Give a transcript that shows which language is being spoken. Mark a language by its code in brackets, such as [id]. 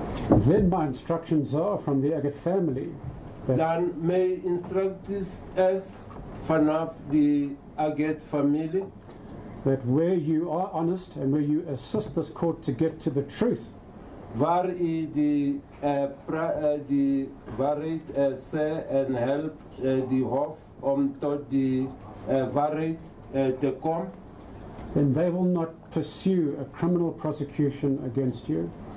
[en] Then my instructions are from the Aggett family. [af] Dan my instructies is vanaf the Aggett family. [en] That where you are honest and where you assist this court to get to the truth. [af] Waar u die waarheid sê en help die hof om tot die waarheid te kom. [en] Then they will not pursue a criminal prosecution against you.